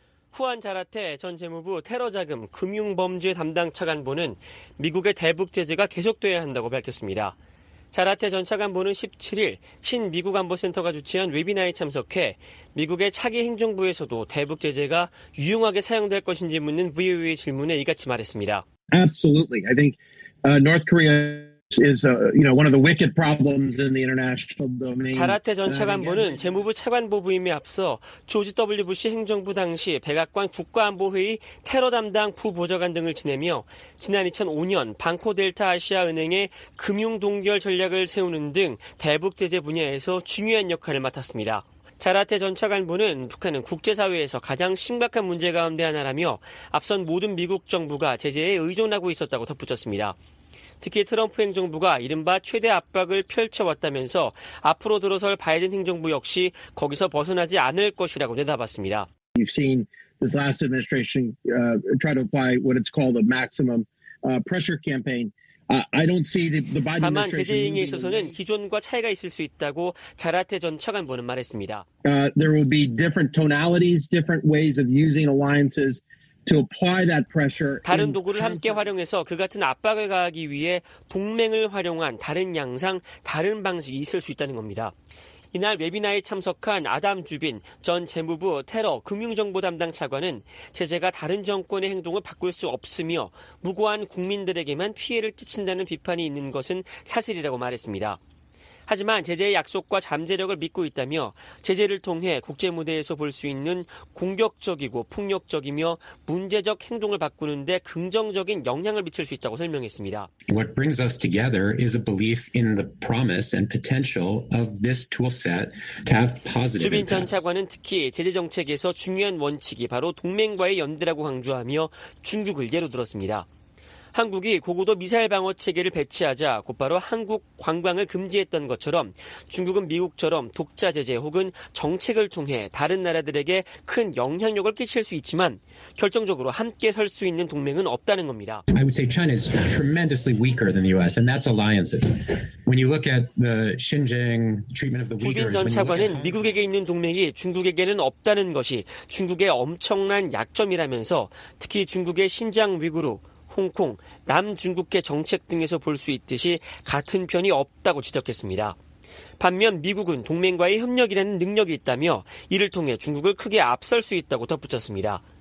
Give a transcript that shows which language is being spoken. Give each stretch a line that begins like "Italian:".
Korean: 후안 자라테 전 재무부 테러자금 금융범죄 담당 차관보는 미국의 대북 제재가 계속돼야 한다고 밝혔습니다. 자라테 전 차관보는 17일 신미국안보센터가 주최한 웨비나에 참석해 미국의 차기 행정부에서도 대북 제재가 유용하게 사용될 것인지 묻는 VOA 질문에 이같이 말했습니다.
English: Absolutely. I think North Korea is you know one of the wicked problems in the international domain.
Korean: 자라테 전 차관보는 재무부 차관보 부임에 앞서 조지 W. 부시 행정부 당시 백악관 국가안보회의 테러 담당 부보좌관 등을 지내며 지난 2005년 방코 델타 아시아 은행의 금융 동결 전략을 세우는 등 대북 제재 분야에서 중요한 역할을 맡았습니다. 자라테 전 차관보는 북한은 국제사회에서 가장 심각한 문제 가운데 하나라며 앞선 모든 미국 정부가 제재에 의존하고 있었다고 덧붙였습니다. 특히 트럼프 행정부가 이른바 최대 압박을 펼쳐왔다면서 앞으로 들어설 바이든 행정부 역시 거기서 벗어나지 않을 것이라고 내다봤습니다.
English: You've seen this last administration try to apply what it's called a maximum pressure campaign. I don't see the Biden administration.
Korean: 다만 제재 이행에 있어서는 기존과 차이가 있을 수 있다고 자라테 전 차관보는 말했습니다.
English: There will be different tonalities, different ways of using alliances. To apply that pressure.
Korean: 다른 도구를 함께 활용해서 그 같은 압박을 가하기 위해 동맹을 활용한 다른 양상, 다른 방식이 있을 수 있다는 겁니다. 이날 웨비나에 참석한 아담 주빈 전 재무부 테러 금융정보 담당 차관은 제재가 다른 정권의 행동을 바꿀 수 없으며 무고한 국민들에게만 피해를 끼친다는 비판이 있는 것은 사실이라고 말했습니다. 하지만 제재의 약속과 잠재력을 믿고 있다며 제재를 통해 국제무대에서 볼 수 있는 공격적이고 폭력적이며 문제적 행동을 바꾸는 데 긍정적인 영향을 미칠 수 있다고 설명했습니다.
English: What brings us together is a belief in the promise and potential of this toolset to have positive.
Korean: 주빈 전 차관은 특히 제재 정책에서 중요한 원칙이 바로 동맹과의 연대라고 강조하며 중국을 예로 들었습니다. 한국이 고고도 미사일 방어 체계를 배치하자 곧바로 한국 관광을 금지했던 것처럼 중국은 미국처럼 독자 제재 혹은 정책을 통해 다른 나라들에게 큰 영향력을 끼칠 수 있지만 결정적으로 함께 설 수 있는 동맹은 없다는 겁니다.
English: I would say China is tremendously weaker than the US and that's alliances. When you look at the Xinjiang treatment of the Uyghurs,
Korean: 주빈 전 차관은 미국에게 있는 동맹이 중국에게는 없다는 것이 중국의 엄청난 약점이라면서 특히 중국의 신장 위구르 홍콩, 남중국해 정책 등에서 볼 수 있듯이 같은 편이 없다고 지적했습니다. 반면 미국은 동맹과의 협력이라는 능력이 있다며 이를 통해 중국을 크게 앞설 수 있다고 덧붙였습니다.